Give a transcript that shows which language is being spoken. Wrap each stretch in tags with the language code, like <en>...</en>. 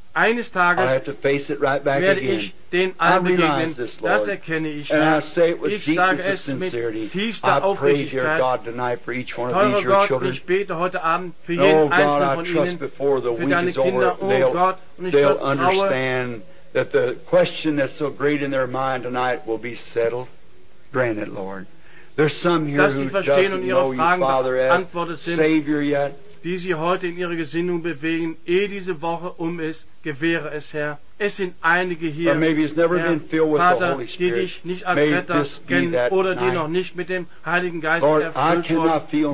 <de>Eines Tages werde ich den allen begegnen. Das erkenne ich. Ich sage es mit tiefster Aufrichtigkeit. Teurer Gott, ich bete heute Abend für jeden Einzelnen von Ihnen, für deine Kinder, oh Gott, und ich vertraue,</de> <en>that the question that's so great in their mind tonight will be settled. Grant it, Lord. There's some here</en> <de>dass sie verstehen und ihre Fragen beantwortet sind, die sie heute in ihrer Gesinnung bewegen, ehe diese Woche um ist, gewähre es, Herr. Es sind einige hier, Vater, die dich nicht als Retter kennen oder die noch nicht mit dem Heiligen Geist erfüllt wurden.</de>